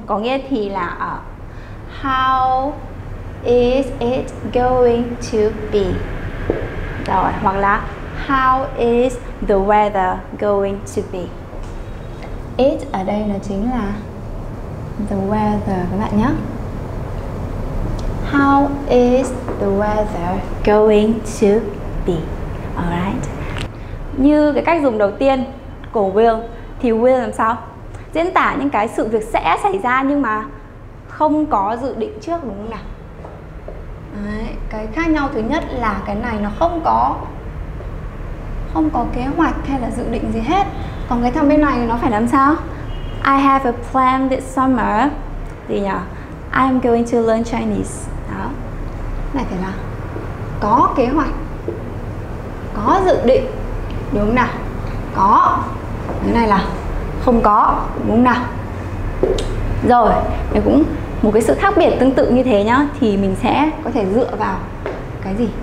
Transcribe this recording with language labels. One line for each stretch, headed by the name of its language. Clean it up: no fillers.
Vietnamese: Có nghĩa thì là
English: how is it going to be?
Vietnamese: Rồi, hoặc là
English: how is the weather going to be?
Vietnamese: It ở đây nó chính là
English: the weather
Vietnamese: các bạn nhé.
English: How is the weather going to be? Alright.
Vietnamese: Như cái cách dùng đầu tiên của will thì will làm sao? Diễn tả những cái sự việc sẽ xảy ra nhưng mà không có dự định trước, đúng không nào? Đấy, cái khác nhau thứ nhất là cái này nó không có kế hoạch hay là dự định gì hết. Còn cái thằng bên này nó phải làm sao?
English: I have a plan this summer.
Vietnamese: Gì nhỉ?
English: I am going to learn Chinese.
Vietnamese: Đó. Này phải là có kế hoạch, có dự định, đúng không nào? Có. Cái này là không có, đúng không nào? Rồi, nếu cũng một cái sự khác biệt tương tự như thế nhá, thì mình sẽ có thể dựa vào cái gì?